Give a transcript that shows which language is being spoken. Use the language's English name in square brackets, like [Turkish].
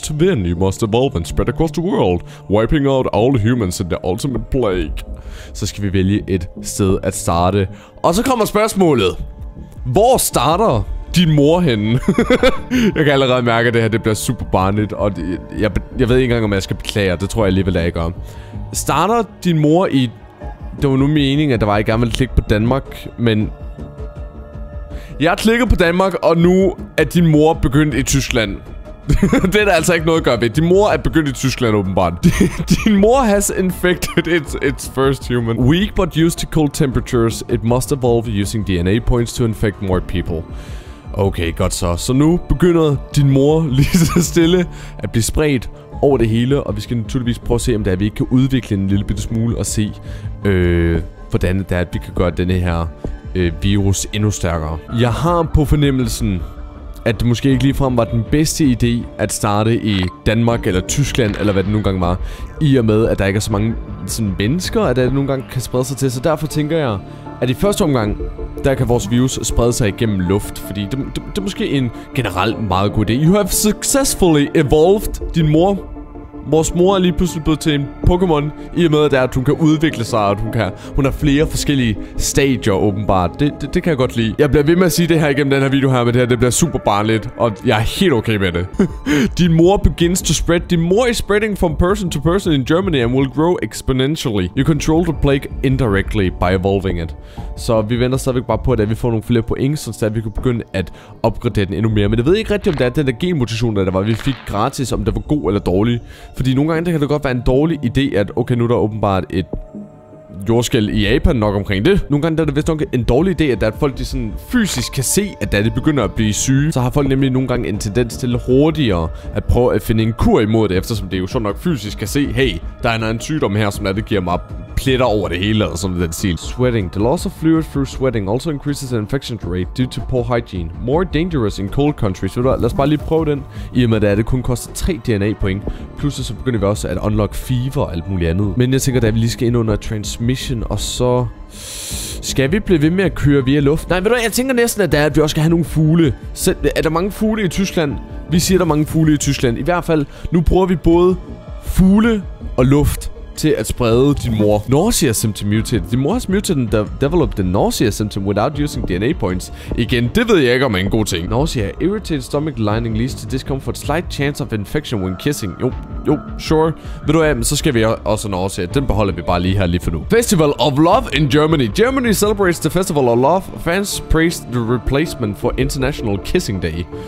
[English] Then you must evolve and spread across the world, wiping out all humans in the ultimate plague. [Danish] Så skal vi vælge et sted at starte. Og så kommer spørgsmålet. Hvor starter din mor henne? Jeg kan allerede mærke, at det her det bliver super barnligt, og jeg ved ikke engang, om jeg skal beklage, det tror jeg alligevel, jeg ikke gør. Starter din mor i... Det var nu meningen, at der var, at jeg gerne ville klikke på Danmark, men... Jeg klikker på Danmark, og nu er din mor begyndt i Tyskland. Det er der altså ikke noget at gøre ved. Din mor er begyndt i Tyskland, åbenbart. [English] Din mor has infected its first human. Weak, but used to cold temperatures. It must evolve using DNA points to infect more people. [Danish] Okay, godt så. Så nu begynder din mor lige så stille at blive spredt over det hele, og vi skal naturligvis prøve at se, om det er, at vi ikke kan udvikle en lille bitte smule og se, hvordan det er, at vi kan gøre denne her virus endnu stærkere. Jeg har på fornemmelsen, at det måske ikke ligefrem var den bedste idé at starte i Danmark eller Tyskland, eller hvad det nogle gange var, i og med, at der ikke er så mange sådan mennesker, at det nogle gange kan sprede sig til. Så derfor tænker jeg, at i første omgang, der kan vores virus sprede sig igennem luft, fordi det er måske en generelt meget god idé. [English] You have successfully evolved [Danish] din mor. Vores mor er lige pludselig blevet til en Pokémon, i og med at, at hun kan udvikle sig, og hun har flere forskellige stadier åbenbart. Det kan jeg godt lide. Jeg bliver ved med at sige det her igennem den her video her, men det her det bliver super barnligt, og jeg er helt okay med det. [English] Din mor begins to spread. Din mor is spreading from person to person in Germany and will grow exponentially. You control the plague indirectly by evolving it. [Danish] Så vi venter stadigvæk bare på, at vi får nogle flere point, så vi kan begynde at opgradere den endnu mere. Men jeg ved ikke rigtigt, om det er den der genmutation, der var, vi fik gratis, om det var god eller dårlig. Fordi nogle gange, der kan det godt være en dårlig idé, at okay, nu er der åbenbart et jordskæl i Japan nok omkring det. Nogle gange, der er det vist nok en dårlig idé, at folk de sådan fysisk kan se, at da de begynder at blive syge, så har folk nemlig nogle gange en tendens til hurtigere at prøve at finde en kur imod det, eftersom det jo så nok fysisk kan se, hey, der er en anden sygdom her, som er, det giver mig pletter over det hele, eller sådan noget, den sweating. [English] The loss of fluid through sweating also increases the infection rate due to poor hygiene. More dangerous in cold countries. [Danish] Ved du hvad, lad os bare lige prøve den. I og med, at det kun koster 3 DNA point. Plus så begynder vi også at unlock fever og alt muligt andet. Men jeg tænker, at vi lige skal ind under transmission, og så... Skal vi blive ved med at køre via luft? Nej, ved du hvad, jeg tænker næsten, at at vi også skal have nogle fugle. Er der mange fugle i Tyskland? Vi siger, der er mange fugle i Tyskland. I hvert fald, nu bruger vi både fugle og luft til at sprede din mor. [English] Nausea symptom mutated. Din mor has mutated and developed the nausea symptom without using DNA points. [Danish] Igen, det ved jeg ikke om er en god ting. [English] Nausea, irritated stomach lining leads to discomfort, slight chance of infection when kissing. Jo, sure. [Danish] Ved du hvad, så skal vi også nausea. Den beholder vi bare lige her lige for nu. Festival of Love in Germany. [English] Germany celebrates the Festival of Love. Fans praise the replacement for International Kissing Day.